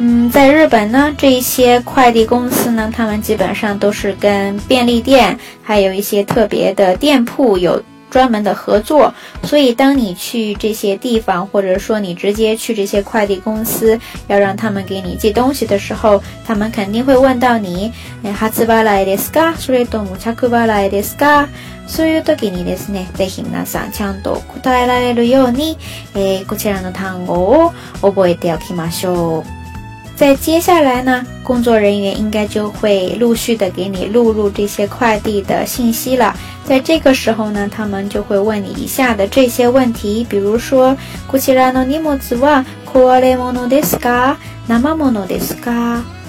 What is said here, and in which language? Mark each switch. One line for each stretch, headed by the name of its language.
Chinese: 在日本呢，这一些快递公司呢，他们基本上都是跟便利店还有一些特别的店铺有专门的合作，所以当你去这些地方，或者说你直接去这些快递公司要让他们给你寄东西的时候，他们肯定会问到你
Japanese: 発売ですか、それとも着払いですか。そういう時にですね、ぜひ皆さんちゃんと答えられるように、こちらの単語を覚えておきましょう。
Chinese: 在接下来呢，工作人员应该就会陆续的给你录入这些快递的信息了。在这个时候呢，他们就会问你以下的这些问题，比如说
Japanese: こちらの荷物は壊れ物ですか、生物ですか。